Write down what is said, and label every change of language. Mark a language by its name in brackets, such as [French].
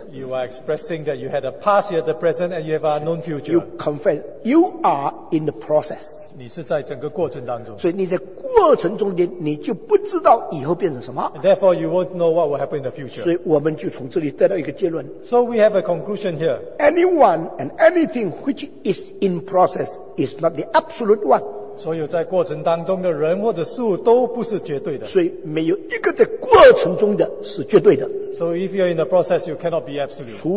[English] You are expressing that you had a past, you had a present, and you have a known future. You confess, you are in the process. [Chinese] 你是在整个过程当中。所以你在过程中间，你就不知道以后变成什么。 [English] Therefore, you won't know what will happen in the future. [Chinese] 所以我们就从这里得到一个结论。 [English] So we have a conclusion here. Anyone and anything which is in process is not the absolute one. [Chinese] 所有在过程当中的人或者事物都不是绝对的。所以没有一个在过程中的是绝对的。 [English] So if you're in the process, you cannot be absolute.